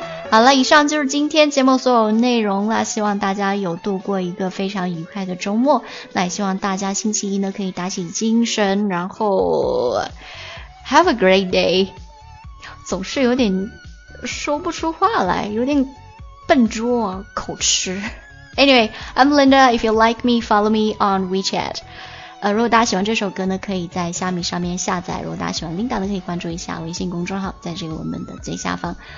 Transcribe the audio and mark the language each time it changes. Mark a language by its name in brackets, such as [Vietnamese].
[Chinese] 好了，以上就是今天节目所有内容了，希望大家有度过一个非常愉快的周末，那也希望大家星期一呢可以打起精神，然后 [English] Have a great day. [Chinese] 总是有点说不出话来，有点笨拙，口吃。 [English] Anyway, I'm Linda. If you like me, follow me on WeChat. [Chinese] 如果大家喜欢这首歌呢，可以在虾米上面下载。如果大家喜欢 Linda 呢，可以关注一下微信公众号，在这个我们的最下方。